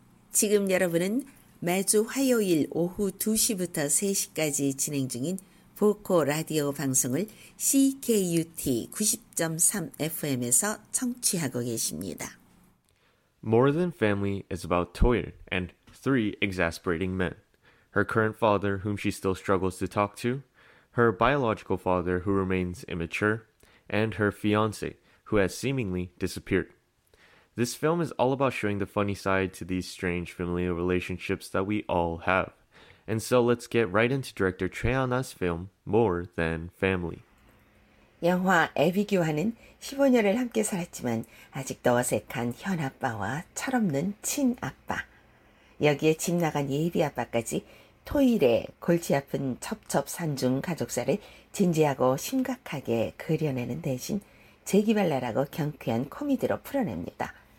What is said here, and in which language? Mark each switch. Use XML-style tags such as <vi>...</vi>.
<ko>지금 여러분은 매주 화요일 오후 2시부터 3시까지 진행 중인 보코 라디오 방송을 CKUT 90.3 FM에서 청취하고 계십니다.</ko> <en>More Than Family is about Toil and three exasperating men. Her current father, whom she still struggles to talk to, her biological father, who remains immature, and her fiancé, who has seemingly disappeared. This film is all about showing the funny side to these strange familial relationships that we all have. And so let's get right into director Choi Hyun-ah's film, More Than Family.</en> <ko>영화 애비규환은 15년을 함께 살았지만 아직도 어색한 현아빠와 철없는 친아빠. 여기에 집 나간 예비 아빠까지 토일의 골치 아픈 첩첩산중 가족사를 진지하고 심각하게 그려내는 대신 재기발랄하고 경쾌한 코미디로 풀어냅니다.</ko>